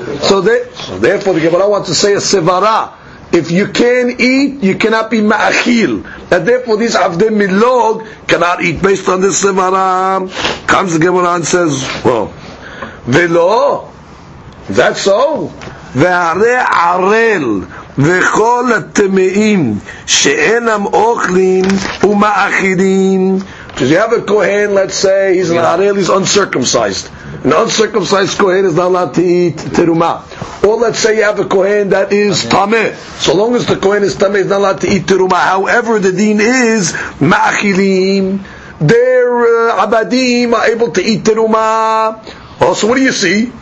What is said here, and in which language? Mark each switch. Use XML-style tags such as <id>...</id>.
<en>So therefore the Gemara wants to say a sevara. If you can't eat, you cannot be ma'achil. And therefore these avdim milog cannot eat based on this sevara. Comes the Gemara and says, well, velo, that's so.</en> <he>Ve'are arel. וכל הטמאים שאינם אוכלים ומאכילים.</he> <en>Because you have a Kohen, let's say, he's an Arel, he's uncircumcised. An uncircumcised Kohen is not allowed to eat Terumah. Or let's say you have a Kohen that is Tameh. So long as the Kohen is Tameh, he's not allowed to eat Terumah. However, the Deen is Ma'achilim. Their Abadim are able to eat Terumah. Also, what do you see?</en>